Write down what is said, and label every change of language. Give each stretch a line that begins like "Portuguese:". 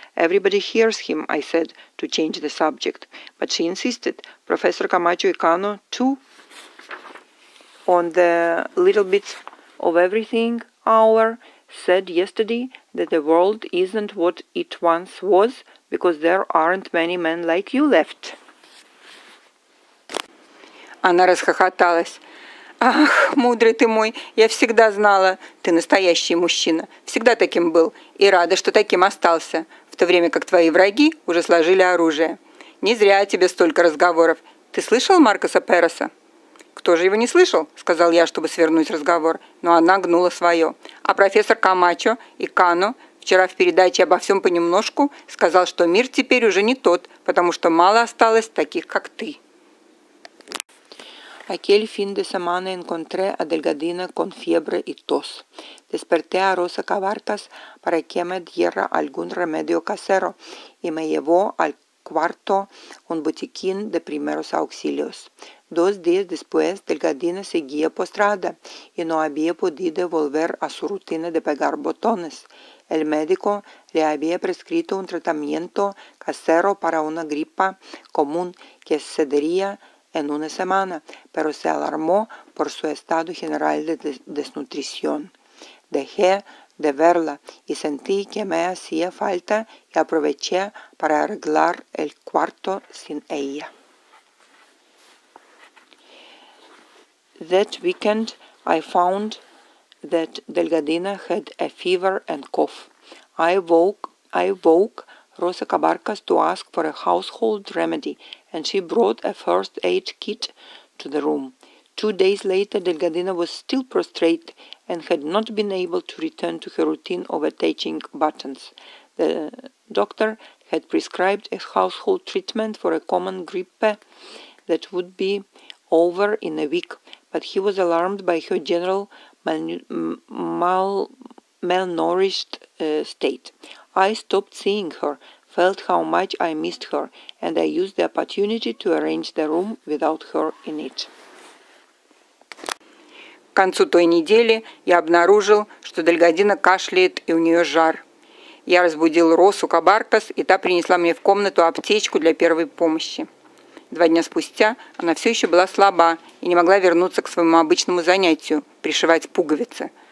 English: Everybody hears him, I said, to change the subject. But she insisted. Professor Camacho y Cano, too. on the little bits of everything hour, said yesterday that the world isn't what it once was because there aren't many men like you left.
Russian: Она расхохоталась. Ах, мудрый ты мой, я всегда знала, ты настоящий мужчина, всегда таким был и рада, что таким остался, в то время как твои враги уже сложили оружие. Не зря тебе столько разговоров. Ты слышал Маркоса Переса? «Кто же его не слышал?» – сказал я, чтобы свернуть разговор. Но она гнула свое. А профессор Камачо и Кано вчера в передаче «Обо всем понемножку» сказал, что мир теперь уже не тот, потому что мало осталось таких, как ты.
Spanish: Aquele fin de semana encontré a delgadina con fiebre y tos. Desperté a Rosa Cavartas para que me diera algún remedio casero y me llevó al cuarto un botiquín de primeros auxilios. Dos días después, Delgadina seguía postrada y no había podido volver a su rutina de pegar botones. El médico le había prescrito un tratamiento casero para una gripa común que cedería en una semana, pero se alarmó por su estado general de desnutrición. Dejé de verla y sentí que me hacía falta y aproveché para arreglar el cuarto sin ella.
English: That weekend, I found that Delgadina had a fever and cough. I woke Rosa Cabarcas to ask for a household remedy, and she brought a first aid kit to the room. 2 days later, Delgadina was still prostrate and had not been able to return to her routine of attaching buttons. The doctor had prescribed a household treatment for a common gripe that would be over in a week, but he was alarmed by her general malnourished state. I stopped seeing her, felt how much I missed her, and I used the opportunity to arrange the room without her in it.
Russian: К концу той недели я обнаружил, что Дельгадина кашляет и у нее жар. Я разбудил Росу Кабаркас, и та принесла мне в комнату аптечку для первой помощи. Два дня спустя она все еще была слаба и не могла вернуться к своему обычному занятию – пришивать пуговицы.